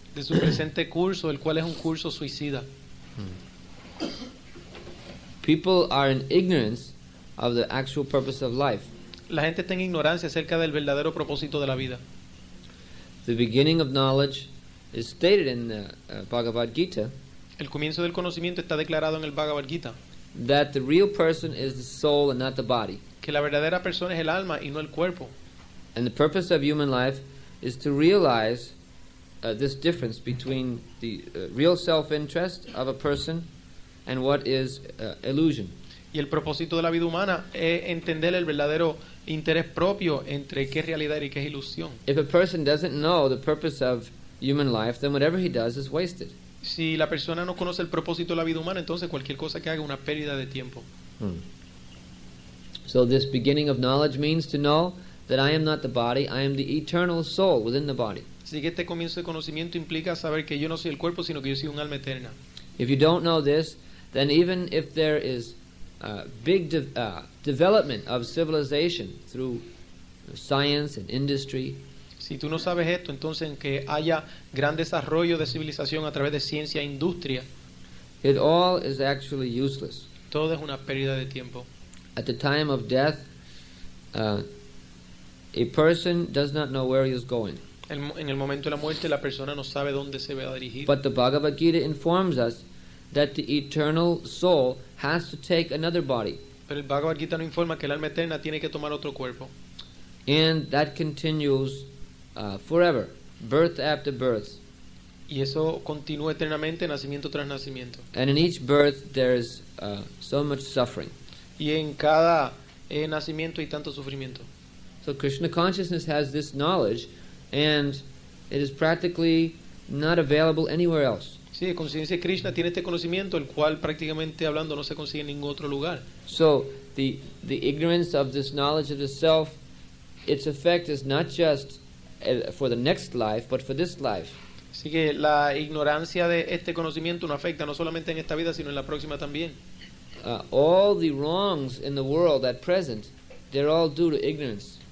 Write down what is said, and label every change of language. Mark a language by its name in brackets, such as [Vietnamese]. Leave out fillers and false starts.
[Spanish] De su presente curso, el cual es un curso suicida. [English] People are in ignorance of the actual purpose of life. [Spanish] La gente está en ignorancia acerca del verdadero propósito de la vida. [English] The beginning of knowledge is stated in the Bhagavad Gita. [Spanish] El comienzo del conocimiento está declarado en el Bhagavad Gita. [English] That the real person is the soul and not the body. [Spanish] Que la verdadera persona es el alma y no el cuerpo. [English] And the purpose of human life is to realize this difference between the real self-interest of a person and what is illusion. [Spanish] Y el propósito de la vida humana es entender el verdadero interés propio entre qué es realidad y qué es ilusión. [English] If a person doesn't know the purpose of human life, then whatever he does is wasted. [Spanish] Si la persona no conoce el propósito de la vida humana, entonces cualquier cosa que haga es una pérdida de tiempo. [English] So this beginning of knowledge means to know that I am not the body, I am the eternal soul within the body. [Spanish] Así que este comienzo de conocimiento implica saber que yo no soy el cuerpo, sino que yo soy un alma eterna. [English] If you don't know this, then even if there is big development of civilization through science and industry. [Spanish] Si tú no sabes esto, entonces en que haya gran desarrollo de civilización a través de ciencia e industria. [English] It all is actually useless. [Spanish] Todo es una pérdida de tiempo. [English] At the time of death, a person does not know where he is going. [Spanish] En el momento de la muerte, la persona no sabe dónde se va a dirigir. [English] But the Bhagavad Gita informs us that the eternal soul has to take another body. [Spanish] Pero el Bhagavad Gita nos informa que el alma eterna tiene que tomar otro cuerpo. [English] And that continues forever, birth after birth. [Spanish] Y eso continúa eternamente, nacimiento tras nacimiento. [English] And in each birth there is so much suffering. [Spanish] Y en cada nacimiento hay tanto sufrimiento. [English] So Krishna consciousness has this knowledge, and it is practically not available anywhere else. [Spanish] Sí, conciencia de Krishna tiene este conocimiento, el cual prácticamente hablando no se consigue en ningún otro lugar. [English] So the ignorance of this knowledge of the self, its effect is not just for the next life, but for this life. [Spanish] Así que la ignorancia de este conocimiento no afecta no solamente en esta vida, sino en la próxima también. [English] All the wrongs in the world at present, they're all due to ignorance.